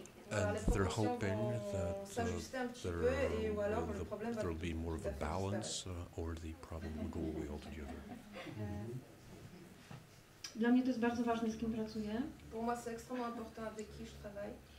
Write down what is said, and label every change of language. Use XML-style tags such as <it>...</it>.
<en>And they're hoping that there will be more of a balance, or the problem will go away altogether.</en> <pl>Dla mnie to jest bardzo ważne, z kim pracuję.</pl> <fr>Pour moi, c'est extrêmement important avec qui je travaille.</fr>